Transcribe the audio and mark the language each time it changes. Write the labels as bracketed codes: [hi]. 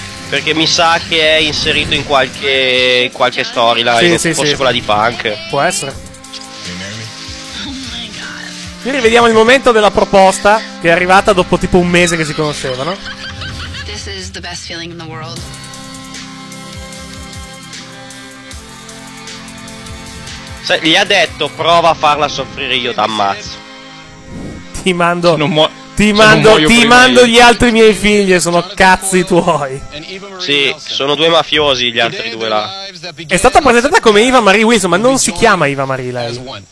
[it] Perché mi sa che è inserito in qualche storyline, sì, forse sì. Quella di Punk. Può essere. Qui rivediamo il momento della proposta, che è arrivata dopo tipo un mese che si conoscevano. [en] This is the best feeling in the world. [it] Sai, gli ha detto: prova a farla soffrire, io t'ammazzo. Ti mando gli altri miei figli, sono cazzi tuoi. Sì, sono due mafiosi gli altri due là. È stata presentata come Eva Marie Wilson, ma non si chiama Eva Marie lei.